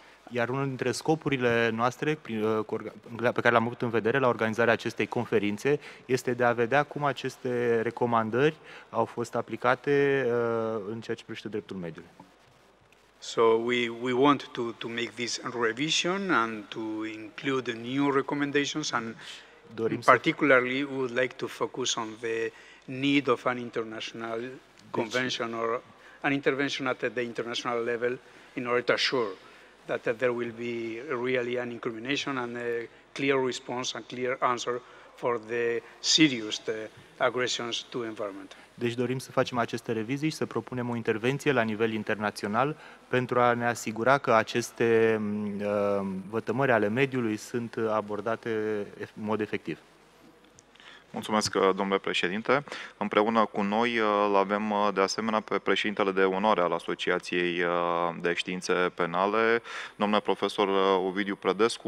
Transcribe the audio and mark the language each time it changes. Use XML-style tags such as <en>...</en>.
<ro>Iar unul dintre scopurile noastre pe care l-am avut în vedere la organizarea acestei conferințe este de a vedea cum aceste recomandări au fost aplicate în ceea ce privește dreptul mediului.</ro> <en>So we want to make this revision and to include new recommendations and</en> <ro>dorim</ro> <en>particularly we would like to focus on the need of an international convention or an intervention at the international level in order to assure that there will be really an incrimination and a clear response and clear answer for the serious aggressions to environment.</en> <ro>Deci dorim să facem aceste revizii și să propunem o intervenție la nivel internațional pentru a ne asigura că aceste vătămări ale mediului sunt abordate în mod efectiv. Mulțumesc, domnule președinte. Împreună cu noi l-avem de asemenea pe președintele de onoare al Asociației de Științe Penale, domnule profesor Ovidiu Prădescu.</ro>